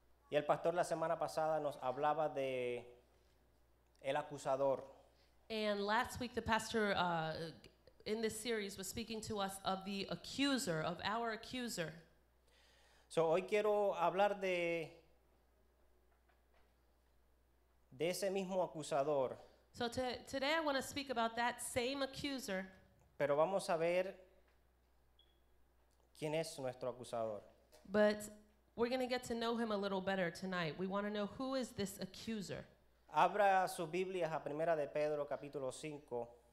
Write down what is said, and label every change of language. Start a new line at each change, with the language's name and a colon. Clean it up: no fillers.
Spanish: Y el pastor la semana pasada nos hablaba de el acusador.
English: And last week the pastor in this series was speaking to us of the accuser, of our accuser.
Spanish: So hoy quiero hablar de ese mismo acusador.
English: So today I want to speak about that same accuser.
Spanish: Pero vamos a ver quién es nuestro acusador.
English: But we're going to get to know him a little better tonight. We want to know who is this accuser.
Spanish: Abra sus Biblias a Primera de Pedro capítulo 5.